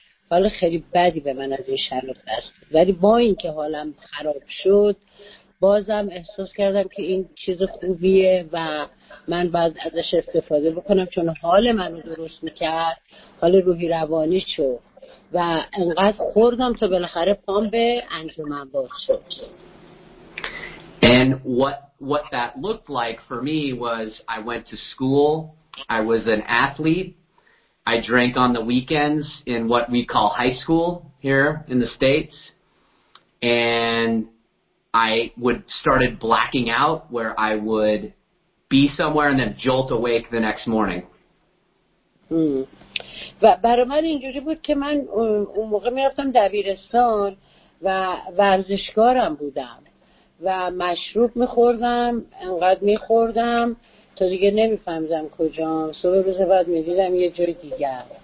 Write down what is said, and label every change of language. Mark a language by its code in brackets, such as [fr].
[fa] حالا خیلی بدی به من از این شراب دست. ولی با این که حالم خراب شد بازم احساس کردم که این چیز خوبیه و من باید ازش استفاده بکنم چون حال منو درست میکرد، حال روحی روانی شو و انقدر خوردم تا بالاخره پام به انجمن باز شد. [en] And what that looked like for me was I went to school, I was an athlete, I drank on the weekends in what we call high school here in the States, and I would started blacking out where I would be somewhere and then jolt awake the next morning. [fa] و برای من اینجوری بود که من اون موقع میرفتم دبیرستان و ورزشکارم بودم و مشروب میخوردم، انقدر میخوردم تا دیگه نمیفهمیدم کجام. صبح روز بعد میدیدم یه جای دیگر.